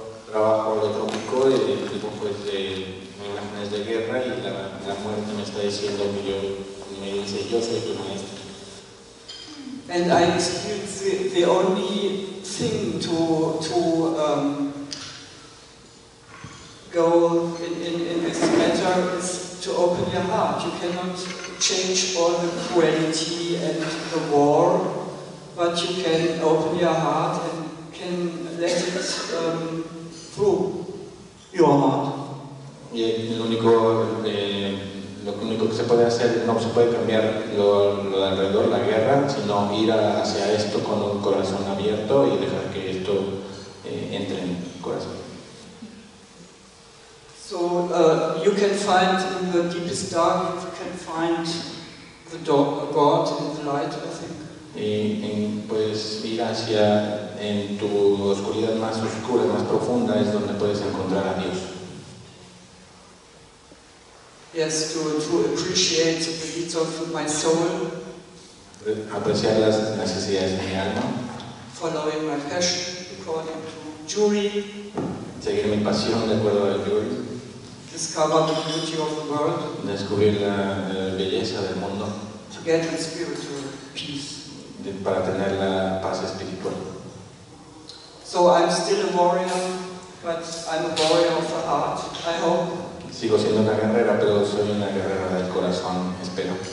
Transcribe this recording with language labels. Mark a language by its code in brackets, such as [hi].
[es] Trabajo holotrópico, pues de imágenes de guerra y la muerte me está diciendo que yo me dice yo soy tu maestro. [en] And I experience the only thing to go in this matter is to open your heart. You cannot change all the cruelty and the war, but you can open your heart and can let it through your heart. [es] Y lo único que se puede hacer, no se puede cambiar lo de alrededor, la guerra, sino ir hacia esto con un corazón abierto y dejar que esto entre en el corazón. [en] So you can find in the deepest dark, you can find the God in the light, I think. [es] Puedes ir hacia en tu oscuridad más oscura, más profunda, es donde puedes encontrar a Dios. [en] Yes, to appreciate the needs of my soul. [es] Apreciar las necesidades de mi alma. [en] Following my passion according to jury. [es] Seguir mi pasión de acuerdo al jury. [en] Discover the beauty of the world. [es] Descubrir la belleza del mundo. [en] To get the spiritual peace. [es] Para tener la paz espiritual. [en] So I'm still a warrior, but I'm a warrior of the heart, I hope. [es] Sigo siendo una guerrera, pero soy una guerrera del corazón, espero.